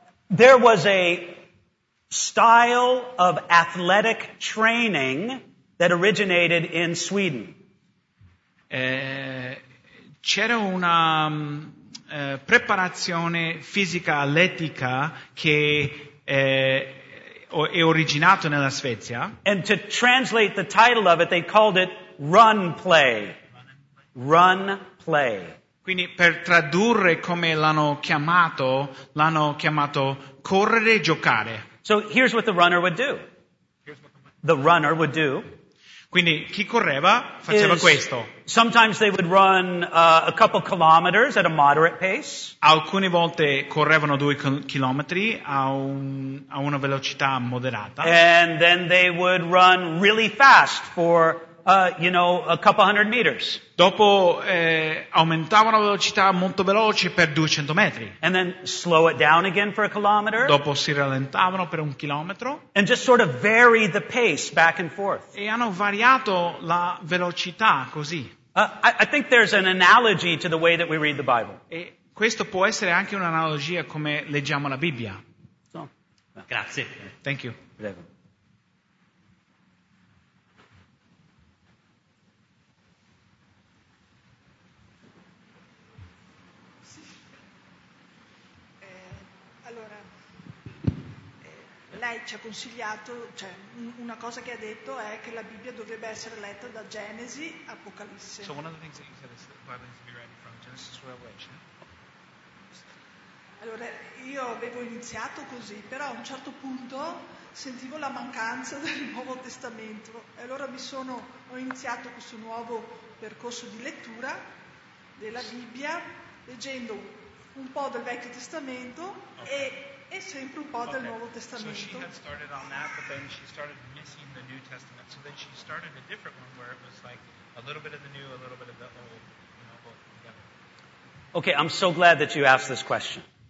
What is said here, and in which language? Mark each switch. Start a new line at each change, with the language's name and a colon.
English: There was a style of athletic training that originated in Sweden.
Italian: C'era una preparazione fisica atletica che è originato nella Svezia.
English: And to translate the title of it, they called it run play. Run play.
Italian: Quindi per tradurre come l'hanno chiamato correre giocare.
English: So here's what the runner would do. The runner would do.
Italian: Quindi chi correva faceva questo.
English: Sometimes they would run a couple kilometers at a moderate pace.
Italian: Alcune volte correvano 2 chilometri a una velocità moderata.
English: And then they would run really fast for you know, a couple hundred meters.
Italian: Dopo aumentavano la velocità molto veloce per 200 metri.
English: And then slow it down again for a kilometer.
Italian: Dopo si rallentavano per 1 chilometro.
English: And just sort of vary the pace back and forth.
Italian: E hanno variato la velocità così.
English: I think there's an analogy to the way that we read the Bible.
Italian: E questo può essere anche un'analogia come leggiamo la Bibbia.
English: So,
Italian: grazie.
English: Thank you.
Italian: Prego. Lei ci ha consigliato, cioè una cosa che ha detto è che la Bibbia dovrebbe essere letta da Genesi a Apocalisse.
English: So one of the things that you said is that the Bible should be read from Genesis to Revelation.
Italian: Allora, io avevo iniziato così, però a un certo punto sentivo la mancanza del Nuovo Testamento. E allora ho iniziato questo nuovo percorso di lettura della Bibbia, leggendo un po' del Vecchio Testamento e sempre un po' del Nuovo Testamento.
English: So she had started on that, but then she started missing the New Testament. So then she started a different one where it was like a little bit of the New, a little bit of the Old, you know, both together. Okay, I'm so glad that you asked this question.